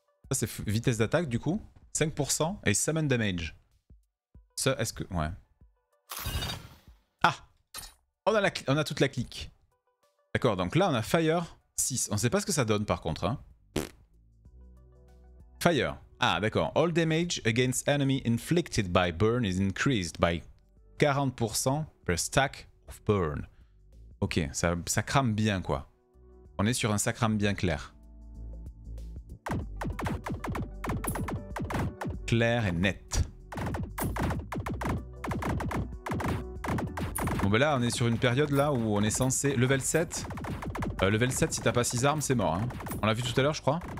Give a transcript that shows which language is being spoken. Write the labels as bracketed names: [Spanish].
[French] Ça, c'est vitesse d'attaque, du coup. 5% et summon damage. Ça, est-ce que... Ouais. Ah! On a toute la clique. D'accord, donc là, on a fire 6. On sait pas ce que ça donne, par contre. Hein. Fire. Ah, d'accord. [English] All damage against enemy inflicted by burn is increased by 40% per stack of burn. [French] Ok, ça crame bien, quoi. On est sur un ça crame bien clair. Clair et net. Bon ben là, on est sur une période là où on est censé... Level 7. Level 7, si t'as pas 6 armes, c'est mort. Hein. On l'a vu tout à l'heure, je crois.